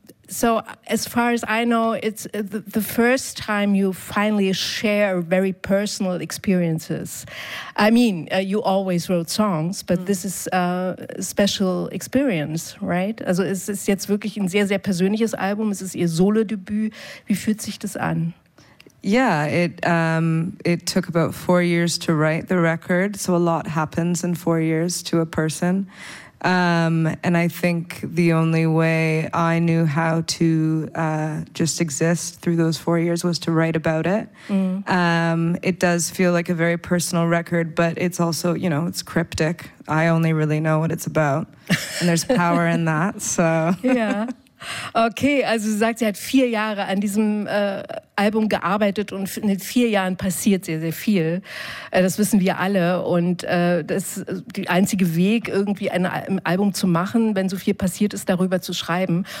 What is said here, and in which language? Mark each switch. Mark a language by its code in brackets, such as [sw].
[en] So as far as I know, it's the first time you finally share very personal experiences. I mean, you always wrote songs, but this is a special experience, right? [de] Also es ist jetzt wirklich ein sehr, sehr persönliches Album. Es ist ihr Solo-Debüt. Wie fühlt sich das an? [en] Yeah, it took about 4 years to write the record, so a lot happens in 4 years to a person. And I think the only way I knew how to just exist through those 4 years was to write about it. Mm. It does feel like a very personal record, but it's also, you know, it's cryptic. I only really know what it's about, and there's power in that, so... Yeah. [de] Okay, also sie sagt, sie hat 4 Jahre an diesem Album gearbeitet und in den 4 Jahren passiert sehr, sehr viel. Das wissen wir alle und das ist der einzige Weg, irgendwie ein Album zu machen, wenn so viel passiert ist, darüber zu schreiben.